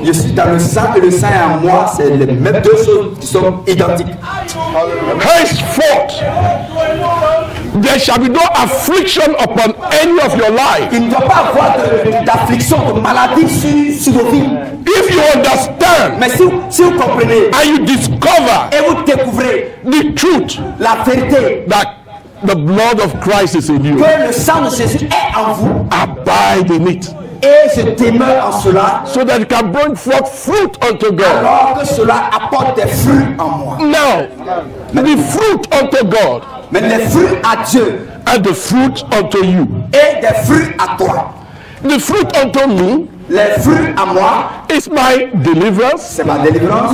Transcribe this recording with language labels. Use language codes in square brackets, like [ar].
[fr] Je suis dans le sang et le sang est en moi. C'est les mêmes deux choses qui sont identiques. [en] Henceforth. There shall be no affliction upon any of your life. [fr] Il ne doit pas avoir d'affliction, de maladie sur vos vies. [en] If you understand, [fr] mais si vous comprenez, [en] and you discover, [fr] et vous découvrez, [en] the truth, [fr] la vérité, [en] that the blood of Christ is in you, [fr] que le sang de Jésus est en vous, [en] abide in it, [fr] et se demeure en cela, [en] so that it can bring forth fruit unto God. [fr] Alors que cela apporte des fruits en moi. [en] Now, the fruit unto God. [fr] Mais les fruits à Dieu. [en] And the fruit unto you. [fr] Et des fruits à toi. [en] The fruit unto me. [fr] Les fruits à moi. [en] Is my deliverance. [fr] C'est ma délivrance.